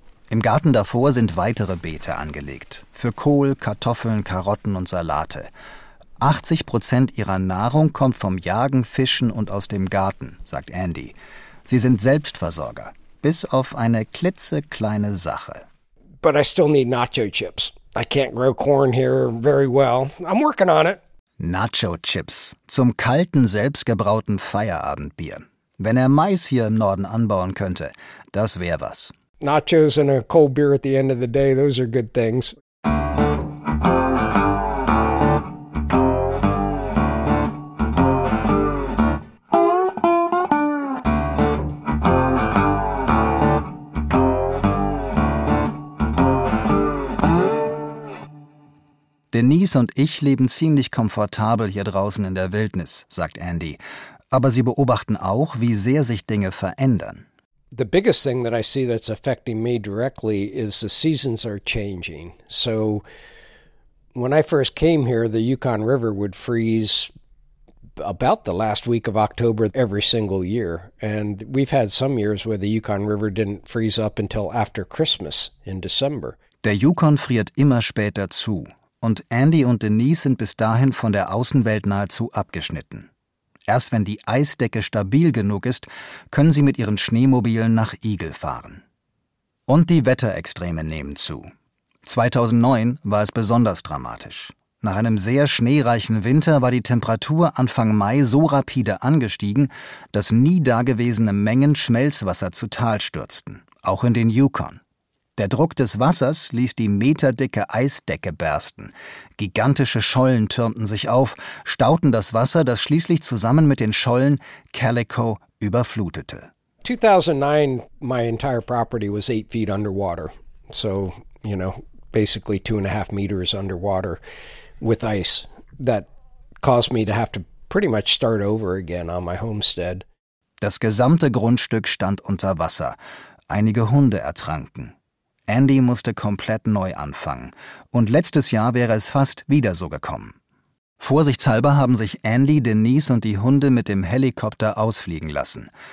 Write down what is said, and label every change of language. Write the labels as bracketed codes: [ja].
[de] Im Garten davor sind weitere Beete angelegt. Für Kohl, Kartoffeln, Karotten und Salate. 80% ihrer Nahrung kommt vom Jagen, Fischen und aus dem Garten, sagt Andy. Sie sind Selbstversorger, bis auf eine klitzekleine Sache. [en] But I still need nacho chips. I can't grow corn here very well. I'm working on it. [de] Nacho chips zum kalten, selbstgebrauten Feierabendbier. Wenn er Mais hier im Norden anbauen könnte, das wäre was. [en] Nachos and a cold beer at the end of the day, those are good things. [de] Denise und ich leben ziemlich komfortabel hier draußen in der Wildnis, sagt Andy. Aber sie beobachten auch, wie sehr sich Dinge verändern. [en] The biggest thing that I see that's affecting me directly is the seasons are changing. So when I first came here, the Yukon River would freeze about the last week of October every single year. And we've had some years where the Yukon River didn't freeze up until after Christmas in December. [de] Der Yukon friert immer später zu. Und Andy und Denise sind bis dahin von der Außenwelt nahezu abgeschnitten. Erst wenn die Eisdecke stabil genug ist, können sie mit ihren Schneemobilen nach Eagle fahren. Und die Wetterextreme nehmen zu. 2009 war es besonders dramatisch. Nach einem sehr schneereichen Winter war die Temperatur Anfang Mai so rapide angestiegen, dass nie dagewesene Mengen Schmelzwasser zu Tal stürzten, auch in den Yukon. Der Druck des Wassers ließ die meterdicke Eisdecke bersten. Gigantische Schollen türmten sich auf, stauten das Wasser, das schließlich zusammen mit den Schollen Calico überflutete. [en] 2009, my entire property was 8 feet underwater. So, you know, basically 2.5 meters underwater with ice. That caused me to have to pretty much start over again on my homestead. [de] Das gesamte Grundstück stand unter Wasser. Einige Hunde ertranken. Andy musste komplett neu anfangen. Und letztes Jahr wäre es fast wieder so gekommen. Vorsichtshalber haben sich Andy, Denise und die Hunde mit dem Helikopter ausfliegen lassen.